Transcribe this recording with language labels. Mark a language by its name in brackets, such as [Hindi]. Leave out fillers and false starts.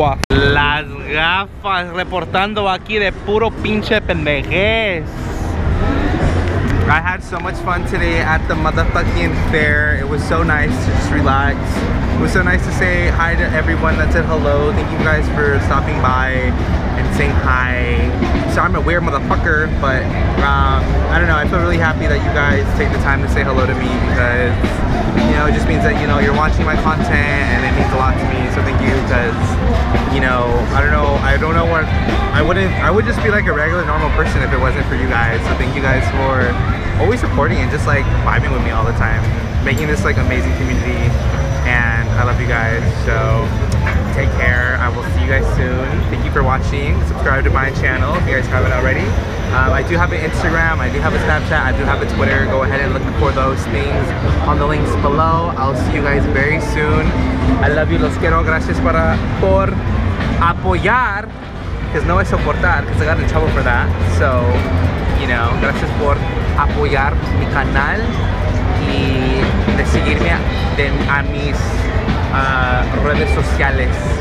[Spanish] Las gafas reportando aquí de puro pinche pendejes. [English] I had so much fun today at the motherfucking fair. It was so nice to just relax. It was so nice to say hi to everyone that said hello. Thank you guys for stopping by and saying hi. So I'm a weird motherfucker, but I don't know. I feel really happy that you guys take the time to say hello to me because, you know, it just means that, you know, you're watching my content and it means a lot to me. So thank you, because, you know, I don't know what I would just be like a regular normal person if it wasn't for you guys. So thank you guys for always supporting and just like vibing with me all the time, making this like amazing community. And I love you guys. So take care. I will see you guys soon. Thank you for watching. Subscribe to my channel if you guys haven't already. I do have an Instagram. I do have a Snapchat. I do have a Twitter. Go ahead and look for those things on the links below. I'll see you guys very soon. I love you. [Spanish] Los quiero. Gracias por apoyar. [English] Because [Spanish] no es soportar. [English] Because I got in trouble for that. So, you know, [Spanish] gracias por apoyar mi canal y de seguirme a mis redes sociales.